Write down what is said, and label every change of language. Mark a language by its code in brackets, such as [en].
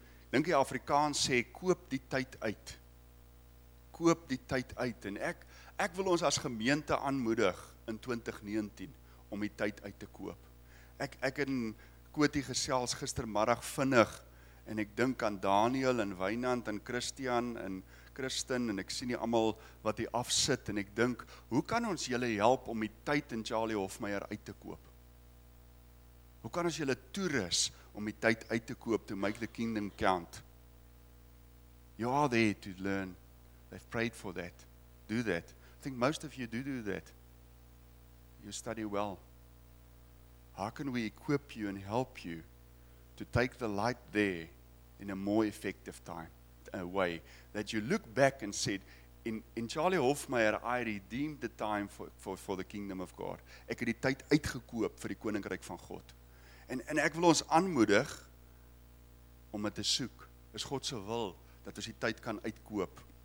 [af] Dink die Afrikaans sê, koop die tyd uit. Koop die tyd uit. En ek wil ons as gemeente aanmoedig in 2019 om die tyd uit te koop. Ek in Kotie gesels gistermiddag vinnig en ek dink aan Daniel en Wynand en Christian en Kristen, en ek sien nie almal wat hier afsit, en ek dink, hoe kan ons julle help om die tyd in Charlie Hofmeyer uit te koop? Hoe kan ons julle toerus om die tyd uit te koop [en] to make the kingdom count? You are there to learn. They've prayed for that. Do that. I think most of you do that. You study well. How can we equip you and help you to take the light there in a more effective time? A way that you look back and said, in Charlie Hofmeyer, I redeemed the time for the kingdom of God. [af] Ek het die tyd uitgekoop vir die koninkryk van God. En ek wil ons aanmoedig om het te soek. Is God se wil dat ons die tyd kan uitkoop.